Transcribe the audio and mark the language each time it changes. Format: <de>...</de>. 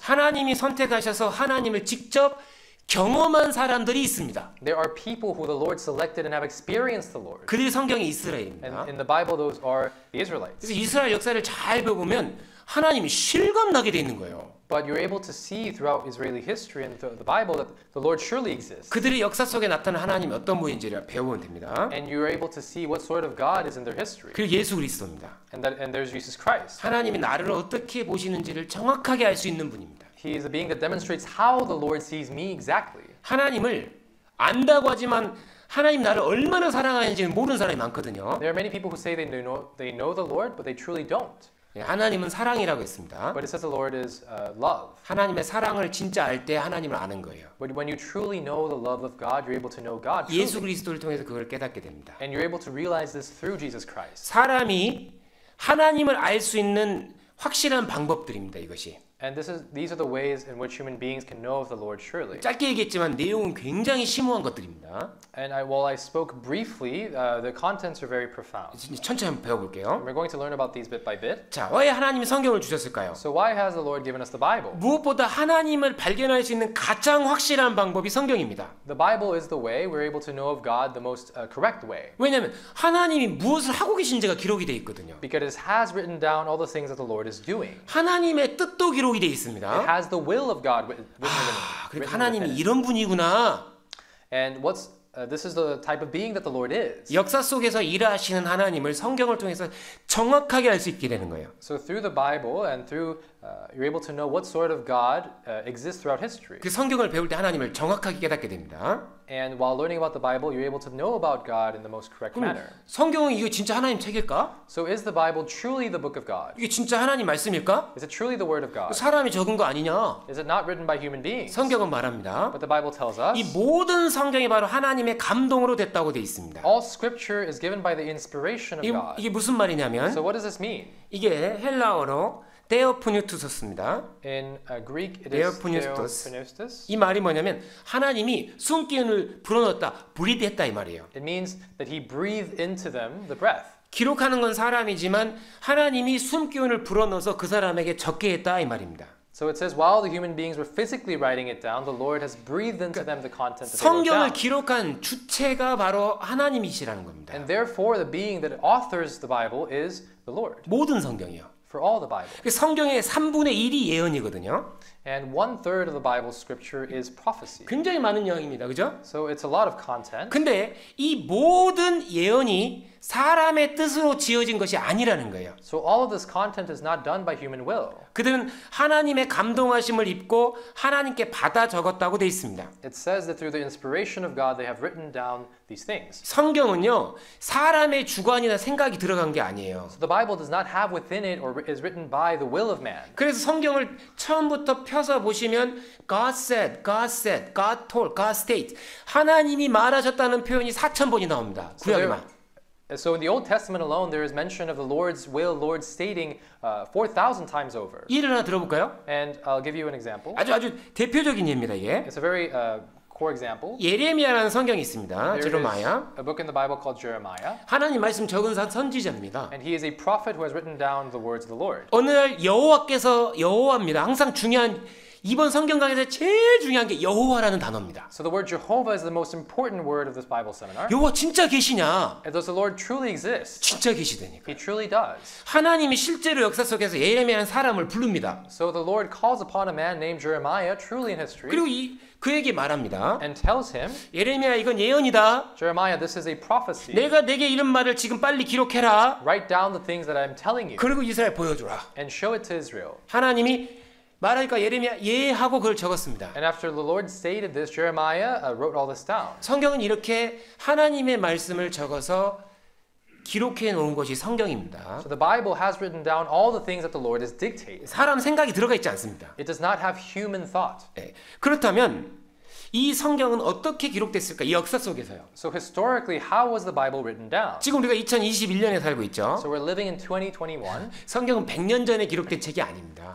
<ko>하나님이 선택하셔서 하나님을 직접 경험한 사람들이 있습니다.</ko> <en>There are people who the Lord selected and have experienced the Lord.</en> <ko>그들이 성경의 이스라엘입니다.</ko> <en>And in the Bible, those are the Israelites.</en> <ko>그래서 이스라엘 역사를 잘 보면 하나님이 실감나게 돼 있는 거예요.</ko> <en>But you're able to see throughout Israeli history and the Bible that the Lord surely exists.</en> <ko>그들의 역사 속에 나타난 하나님이 어떤 분인지를 배우면 됩니다.</ko> <en>And you're able to see what sort of God is in their history.</en> <ko>그리고 예수 그리스도입니다.</ko> <en>And there's Jesus Christ.</en> <ko>하나님이 나를 어떻게 보시는지를 정확하게 알 수 있는 분입니다.</ko> <en>He is a being that demonstrates how the Lord sees me exactly.</en> <ko>하나님을 안다고 하지만 하나님 나를 얼마나 사랑하는지 모르는 사람이 많거든요.</ko> <en>There are many people who say they know the Lord, but they truly don't.</en> <ko>하나님은 사랑이라고 했습니다.</ko> <en>But it says the Lord is love.</en> <ko>하나님의 사랑을 진짜 알 때 하나님을 아는 거예요.</ko> <en>But when you truly know the love of God, you're able to know God. Truly.</en> <ko>예수 그리스도를 통해서 그걸 깨닫게 됩니다.</ko> <en>And you're able to realize this through Jesus Christ.</en> <ko>사람이 하나님을 알 수 있는 확실한 방법들입니다. 이것이.</ko> <en>And these are the ways in which human beings can know of the Lord surely.</en> <ko>짧게 얘기했지만 내용은 굉장히 심오한 것들입니다.</ko> <en>And while I spoke briefly, the contents are very profound.</en> <ko>천천히 배워볼게요.</ko> <en>We're going to learn about these bit by bit.</en> <ko>자, 왜 하나님이 성경을 주셨을까요?</ko> <en>So why has the Lord given us the Bible?</en> <ko>무엇보다 하나님을 발견할 수 있는 가장 확실한 방법이 성경입니다.</ko> <en>The Bible is the way we're able to know of God the most correct way.</en> <ko>왜냐하면 하나님이 무엇을 하고 계신지가 기록이 돼 있거든요.</ko> <en>Because it has written down all the things that the Lord is doing.</en> <ko>하나님의 뜻도 기록이 돼 있습니다.</ko> <en>It has the will of God written in it.</en> <ko>그리고 하나님이 이런 분이구나.</ko> <en>And what's this is the type of being that the Lord is.</en> <ko>역사 속에서 일하시는 하나님을 성경을 통해서 정확하게 알 수 있게 되는 거예요.</ko> <en>So through the Bible and through you're able to know what sort of God exists throughout history.</en> <ko>그 성경을 배울 때 하나님을 정확하게 깨닫게 됩니다.</ko> <en>And while learning about the Bible, you're able to know about God in the most correct manner.</en> <ko>성경은 이게 진짜 하나님 책일까?</ko> <en>So is the Bible truly the book of God?</en> <ko>이게 진짜 하나님 말씀일까?</ko> <en>Is it truly the word of God?</en> <ko>사람이 적은 거 아니냐?</ko> <en>Is it not written by human beings?</en> <ko>성경은 말합니다.</ko> <en>But the Bible tells us.</en> <ko>이 모든 성경이 바로 하나님의 감동으로 됐다고 돼 있습니다.</ko> <en>All scripture is given by the inspiration of God.</en> <ko>이게 무슨 말이냐면</ko> <en>So what does this mean?</en> <ko>이게 헬라어로 Theopneustos입니다.</ko> <en>In Greek, it is Theopneustos. Theopneustos.</en> <ko>이 말이 뭐냐면 하나님이 숨기운을 불어넣었다, 브리드했다 이 말이에요.</ko> <en>It means that he breathed into them the breath.</en> <ko>기록하는 건 사람이지만 하나님이 숨기운을 불어넣어서 그 사람에게 적게 했다 이 말입니다.</ko> <en>So it says while the human beings were physically writing it down, the Lord has breathed into them the content of the Bible.</en> <ko>성경을 기록한 주체가 바로 하나님이시라는 겁니다.</ko> <en>And therefore, the being that authors the Bible is the Lord.</en> <ko>모든 성경이요.</ko> <en>For all the Bible.</en> <ko>성경의 3분의 1이 예언이거든요.</ko> <en>And one third of the Bible scripture is prophecy.</en> <ko>굉장히 많은 내용입니다, 그죠?</ko> <en>So it's a lot of content.</en> <ko>근데 이 모든 예언이 사람의 뜻으로 지어진 것이 아니라는 거예요.</ko> <en>So all of this content is not done by human will.</en> <ko>그들은 하나님의 감동하심을 입고 하나님께 받아 적었다고 돼 있습니다.</ko> <en>It says that through the inspiration of God, they have written down these things.</en> <ko>성경은요 사람의 주관이나 생각이 들어간 게 아니에요.</ko> <en>So the Bible does not have within it or is written by the will of man.</en> <ko>그래서 성경을 처음부터 펴서 보시면</ko> <en>God said, God said, God told, God state.</en> <ko>하나님이 말하셨다는 표현이 4,000번이 나옵니다. 구약에만.</ko> <en>So in the Old Testament alone, there is mention of the Lord's will, Lord stating 4,000 times over.</en> <ko>예를 하나 들어볼까요?</ko> <en>And I'll give you an example.</en> <ko>아주 아주 대표적인 예입니다. 예.</ko> <en>It's a very core example.</en> <ko>예레미야라는 성경이 있습니다. 예레미야.</ko> <en>A book in the Bible called Jeremiah.</en> <ko>하나님 말씀 적은 선지자입니다.</ko> <en>And he is a prophet who has written down the words of the Lord.</en> <ko>어느 날 여호와께서 여호와입니다. 항상 중요한 이번 성경 강의에서 제일 중요한 게 여호와라는 단어입니다.</ko> <en>So the word Jehovah is the most important word of this Bible seminar.</en> <ko>여호와 진짜 계시냐?</ko> <en>Does the Lord truly exist?</en> <ko>진짜 계시다니까.</ko> <en>He truly does.</en> <ko>하나님이 실제로 역사 속에서 예레미야라는 사람을 부릅니다.</ko> <en>So the Lord calls upon a man named Jeremiah truly in history.</en> <ko>그리고 이 그에게 말합니다.</ko> <en>And tells him,</en> <ko>예레미야 이건 예언이다.</ko> <en>Jeremiah, this is a prophecy.</en> <ko>내가 내게 이런 말을 지금 빨리 기록해라.</ko> <en>Write down the things that I'm telling you.</en> <ko>그리고 이스라엘 보여주라.</ko> <en>And show it to Israel.</en> <ko>하나님이 말하니까 예레미야 예 하고 그걸 적었습니다.</ko> <en>And after the Lord stated this, Jeremiah wrote all this down.</en> <ko>성경은 이렇게 하나님의 말씀을 적어서 기록해 놓은 것이 성경입니다.</ko> <en>So the Bible has written down all the things that the Lord has dictated.</en> <ko>사람 생각이 들어가 있지 않습니다.</ko> <en>It does not have human thought.</en> <ko>네. 그렇다면 이 성경은 어떻게 기록됐을까? 이 역사 속에서요.</ko> <en>So historically, how was the Bible written down?</en> <ko>지금 우리가 2021년에 살고 있죠.</ko> <en>So we're living in 2021.</en> <ko>성경은 100년 전에 기록된 책이 아닙니다.</ko>